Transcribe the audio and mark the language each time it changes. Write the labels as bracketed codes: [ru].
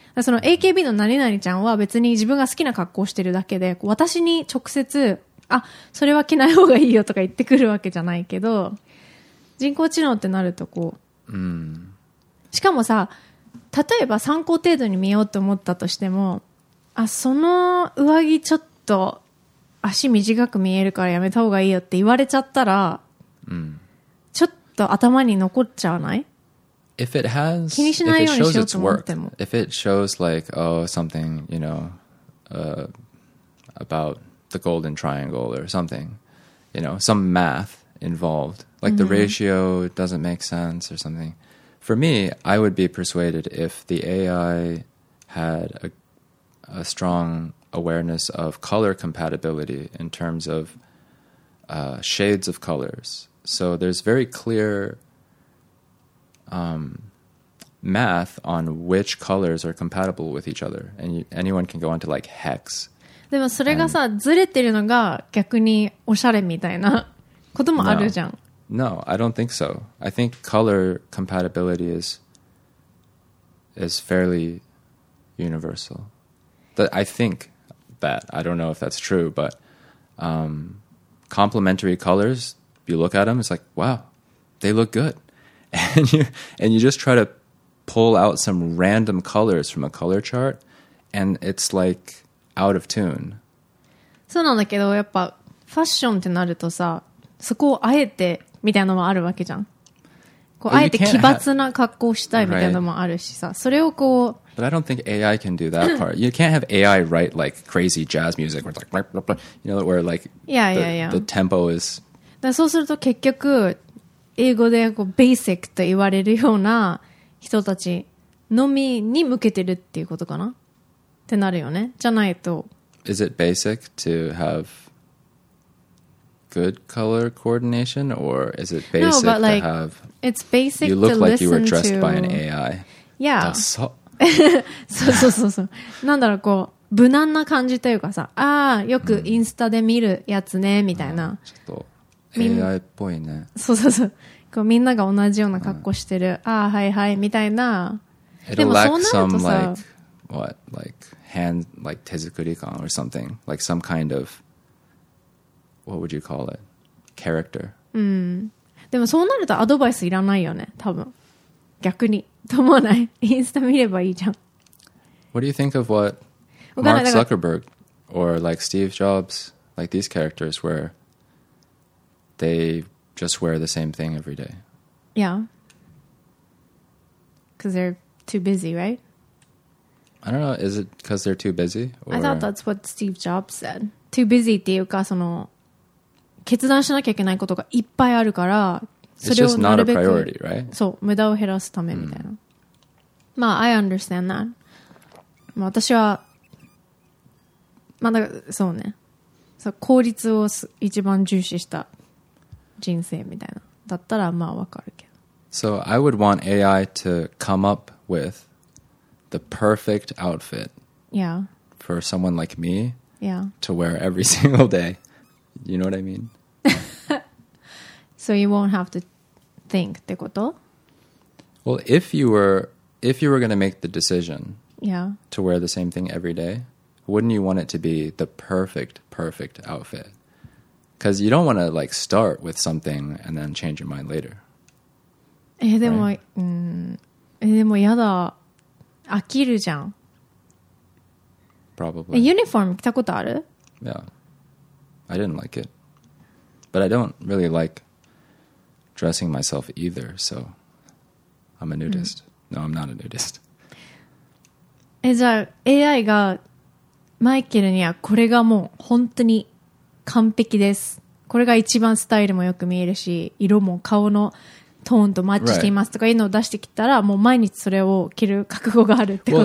[ja] その AKB の何々ちゃんは別に自分が好きな格好をしてるだけで、私に直接、あ、それは着ない方がいいよとか言ってくるわけじゃないけど、人工知能ってなるとこう。しかもさ、例えば参考程度に見ようと思ったとしても、あ、その上着ちょっと足短く見えるからやめた方がいいよって言われちゃったら、ちょっと頭に残っちゃわない？ [en] If it has, if it shows its work, if it shows like, oh, something, you know, about the golden triangle or something, you know, some math involved, like the ratio doesn't make sense or something. For me, I would be persuaded if the AI had a strong awareness of color compatibility in terms of shades of colors. So there's very clear... math on which colors are compatible with each other, and anyone can go onto like hex. [ja] でもそれがさ、ずれてるのが逆におしゃれみたいなこともあるじゃん。 [en] No, I don't think so. I think color compatibility is fairly universal. But I think that, I don't know if that's true, but complementary colors, you look at them, it's like, wow, they look good. And you just try to pull out some random colors from a color chart, and it's like out of tune. [ja] そうなんだけど、やっぱファッションってなるとさ、そこをあえてみたいなのもあるわけじゃん。こうあえて奇抜な格好したいみたいなのもあるしさ、それをこう。 [en] But I don't think AI can do that part. You can't have AI write like crazy jazz music where it's like, you know, where like the tempo is. [ja] だそうすると結局。英語でこうベーシックと言われるような人たちのみに向けてるっていうことかなってなるよね。じゃないと。 [en] Is it basic to have good color coordination or is it basic no, but like, to have... It's basic you look to like listen you were dressed to... by an AI. Yeah. That's so... [ja] そうそうそうそう。なんだろう、こう、無難な感じというかさ、ああ、よくインスタで見るやつね、みたいな。ちょっと。AI っぽいね。そうそうそう。こうみんなが同じような格好してる。ああ、はいはい、みたいな。でもそうなるとさ。 [en] Some, like, what? Like, hand, like, 手作り感 or something. Like, some kind of, what would you call it? Character. [ja] うん。でもそうなるとアドバイスいらないよね、多分。逆に。と思わない。インスタ見ればいいじゃん。 [en] What do you think of what Mark Zuckerberg or, like, Steve Jobs, like, these characters were? They just wear the same thing every day. Yeah. Because they're too busy, right? I don't know. Is it because they're too busy? Or... I thought that's what Steve Jobs said. Too busy [ja] っていうか、その、決断しなきゃいけないことがいっぱいあるから、それをなるべく、 [en] It's just not a priority, right? [ja] そう、無駄を減らすためみたいな。まあ、 [en] I understand that. [ja] まあ、私は、まあ、だから、そうね。そう、効率を一番重視した。人生みたいなだったらまあわかるけど。 [en] So I would want AI to come up with the perfect outfit. Yeah. For someone like me. Yeah. To wear every single day. You know what I mean? So you won't have to think [ja] ってこと? [en] Well, if you were going to make the decision. Yeah. To wear the same thing every day, wouldn't you want it to be the perfect outfit? Because you don't want to like start with something and then change your mind later. [ja] でも、 [en] right. [ja] うん、でもやだ、飽きるじゃん。 [en] Probably. [ja] ユニフォーム着たことある？ [en] Yeah, I didn't like it, but I don't really like dressing myself either. So I'm a nudist.、うん、no, I'm not a nudist. [ja] じゃあ AI がマイケルにはこれがもう本当に完璧です。これが一番スタイルもよく見えるし、色も顔のトーンとマッチしていますとかいうのを出してきたら、 [en] right. [ja] もう毎日それを着る覚悟があるってこと。